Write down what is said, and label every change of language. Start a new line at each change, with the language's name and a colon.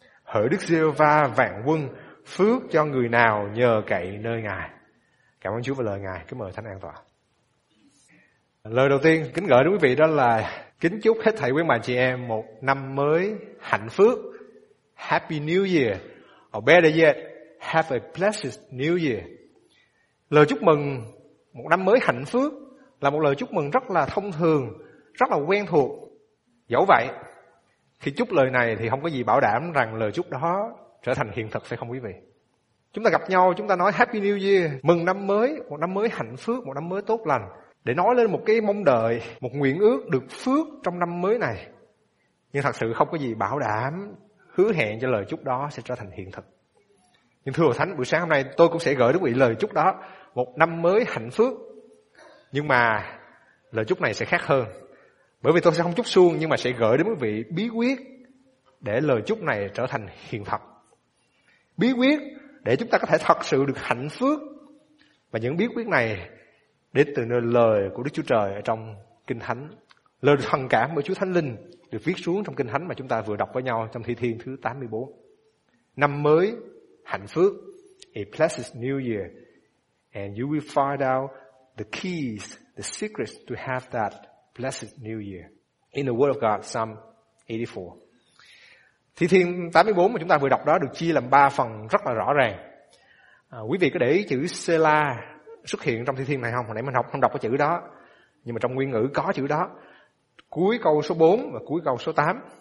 Vietnamese: Hỡi Đức Giê-hô-va vạn quân, phước cho người nào nhờ cậy nơi Ngài. Cảm ơn Chúa và lời Ngài, cứ mời Thánh An vào. Lời đầu tiên kính gửi đến quý vị đó là kính chúc hết thảy quý bà chị em một năm mới hạnh phúc.
English: Happy New Year. Or better yet, have a blessed New Year.
Vietnamese: Lời chúc mừng một năm mới hạnh phúc là một lời chúc mừng rất là thông thường, rất là quen thuộc. Dẫu vậy, khi chúc lời này thì không có gì bảo đảm rằng lời chúc đó trở thành hiện thực, phải không quý vị? Chúng ta gặp nhau, chúng ta nói
English: Happy New Year,
Vietnamese: mừng năm mới, một năm mới hạnh phúc, một năm mới tốt lành, để nói lên một cái mong đợi, một nguyện ước được phước trong năm mới này. Nhưng thật sự không có gì bảo đảm, hứa hẹn cho lời chúc đó sẽ trở thành hiện thực. Nhưng thưa Hội Thánh, buổi sáng hôm nay tôi cũng sẽ gửi đến quý vị lời chúc đó, một năm mới hạnh phúc. Nhưng mà lời chúc này sẽ khác hơn. Bởi vì tôi sẽ không chúc suông, nhưng mà sẽ gửi đến quý vị bí quyết để lời chúc này trở thành hiện thực. Bí quyết để chúng ta có thể thật sự được hạnh phúc. Và những bí quyết này đến từ nơi lời của Đức Chúa Trời ở trong Kinh Thánh. Lời thần cảm của Chúa Thánh Linh được viết xuống trong Kinh Thánh mà chúng ta vừa đọc với nhau trong Thi Thiên thứ 84. Năm mới, hạnh phúc,
English: a blessed new year, and you will find out the keys, the secrets to have that blessed new year. In the Word of God, Psalm 84.
Vietnamese: Thi Thiên 84 mà chúng ta vừa đọc đó được chia làm 3 phần rất là rõ ràng. Quý vị có để ý chữ Selah xuất hiện trong Thi Thiên này không? Hồi nãy mình học không đọc cái chữ đó, nhưng mà trong nguyên ngữ có chữ đó, cuối câu số 4 và cuối câu số 8.